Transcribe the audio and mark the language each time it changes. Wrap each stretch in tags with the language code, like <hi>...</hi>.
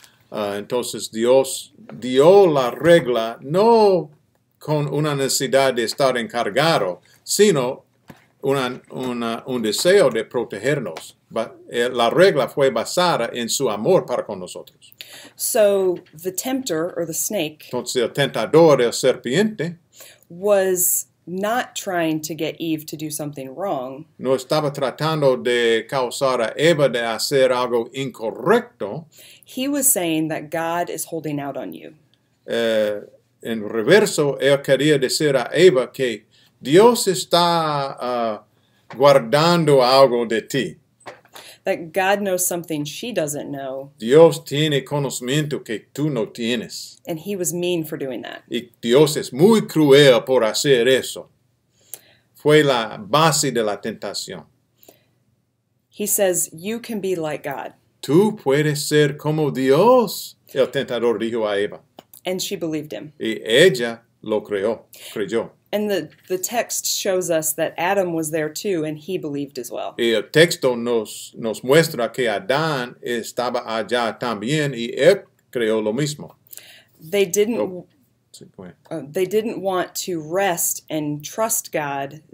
<es>Entonces Dios dio la regla no con una necesidad de estar encargado, sino un deseo de protegernos. La regla fue basada en su amor para con nosotros.</es> <en>So the tempter or the snake.</en> <es>Entonces el tentador, el serpiente,</es> <en>was not trying to get Eve to do something wrong.</en> <es>No estaba tratando de causar a Eva de hacer algo incorrecto.</es> <en>He was saying that God is holding out on you.</en> <es>En reverso, él quería decir a Eva que Dios está guardando algo de ti.</es> <en>That God knows something she doesn't know.</en> <es>Dios tiene conocimiento que tú no tienes.</es> <en>And he was mean for doing that.</en> <es>Y Dios es muy cruel por hacer eso. Fue la base de la tentación.</es> <en>He says, you can be like God.</en> <es>Tú puedes ser como Dios, el tentador dijo a Eva.</es> <en>And she believed him.</en> <es>Y ella lo creyó, creyó.</es> <en>And the text shows us that Adam was there too, and he believed as well.</en> <es>Y el texto nos muestra que Adán estaba allá también, y él creyó lo mismo.</es> <en>They didn't want to rest and trust God.</en>